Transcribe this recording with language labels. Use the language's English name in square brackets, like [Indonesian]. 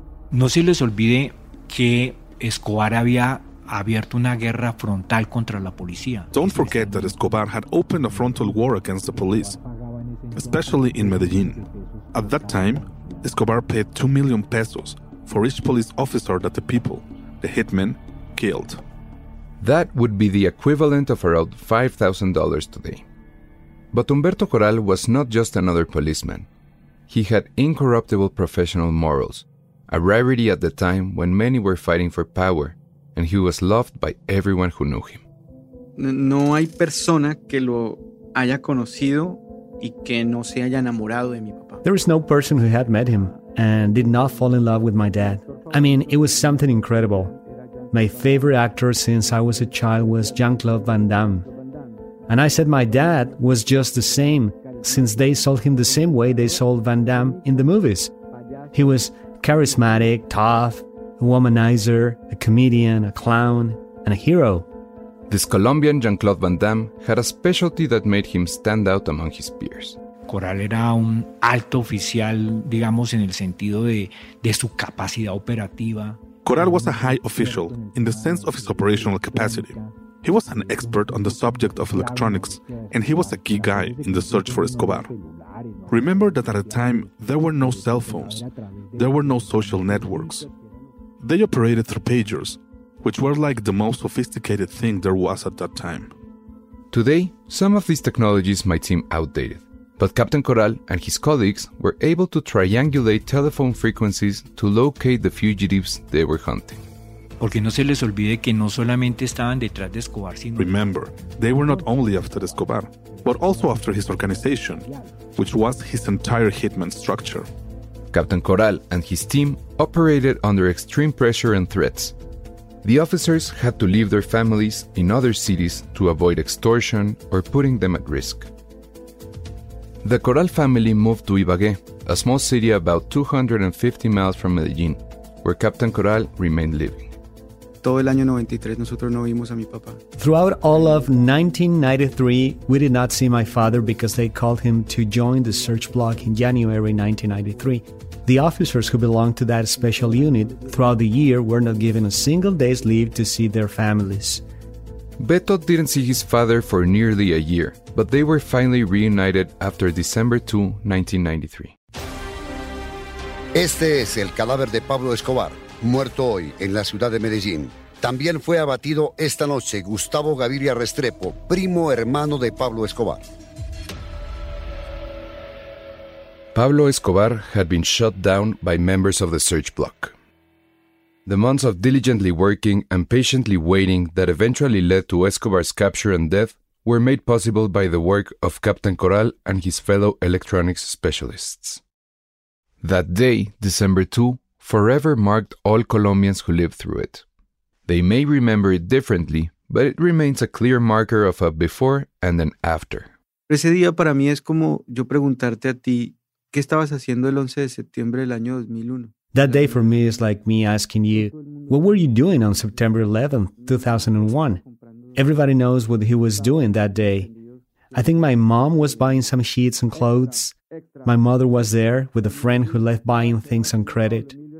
[Spanish] No se les olvide que Escobar había abierto una guerra frontal contra la policía. [English] Don't forget that Escobar had opened a frontal war against the police, especially in Medellin. At that time, Escobar paid 2 million pesos for each police officer that the people, the hitmen, killed. That would be the equivalent of around $5,000 today. But Humberto Coral was not just another policeman. He had incorruptible professional morals, a rarity at the time when many were fighting for power, and he was loved by everyone who knew him. [Spanish] No hay persona que lo haya conocido y que no se haya enamorado de mi papá. [English] There is no person who had met him and did not fall in love with my dad. I mean, it was something incredible. My favorite actor since I was a child was Jean-Claude Van Damme. And I said my dad was just the same, since they sold him the same way they sold Van Damme in the movies. He was charismatic, tough, a womanizer, a comedian, a clown, and a hero. This Colombian Jean-Claude Van Damme had a specialty that made him stand out among his peers. [Spanish] Coral era un alto oficial, digamos, en el sentido de su capacidad operativa. [English] Coral was a high official in the sense of his operational capacity. He was an expert on the subject of electronics, and he was a key guy in the search for Escobar. Remember that at the time, there were no cell phones. There were no social networks. They operated through pagers, which were like the most sophisticated thing there was at that time. Today, some of these technologies might seem outdated, but Captain Coral and his colleagues were able to triangulate telephone frequencies to locate the fugitives they were hunting. [Spanish] Porque no se les olvide que no solamente estaban detrás de Escobar, sino... [English] Remember, they were not only after Escobar, but also after his organization, which was his entire hitman structure. Captain Coral and his team operated under extreme pressure and threats. The officers had to leave their families in other cities to avoid extortion or putting them at risk. The Coral family moved to Ibagué, a small city about 250 miles from Medellín, where Captain Coral remained living. [Spanish] Todo el año 93 nosotros no vimos a mi papá. [English] Throughout all of 1993, we did not see my father because they called him to join the search block in January 1993. The officers who belonged to that special unit throughout the year were not given a single day's leave to see their families. Beto didn't see his father for nearly a year, but they were finally reunited after December 2, 1993. [Spanish] Este es el cadáver de Pablo Escobar, muerto hoy en la ciudad de Medellín. También fue abatido esta noche Gustavo Gaviria Restrepo, primo hermano de Pablo Escobar. [English] Pablo Escobar had been shot down by members of the search block. The months of diligently working and patiently waiting that eventually led to Escobar's capture and death were made possible by the work of Captain Coral and his fellow electronics specialists. That day, December 2, forever marked all Colombians who lived through it. They may remember it differently, but it remains a clear marker of a before and an after. [Spanish] Ese día para mí es como yo preguntarte a ti, ¿qué estabas haciendo el 11 de septiembre del año 2001? [English] That day for me is like me asking you, what were you doing on September 11th, 2001? Everybody knows what he was doing that day. I think my mom was buying some sheets and clothes. My mother was there with a friend who left buying things on credit.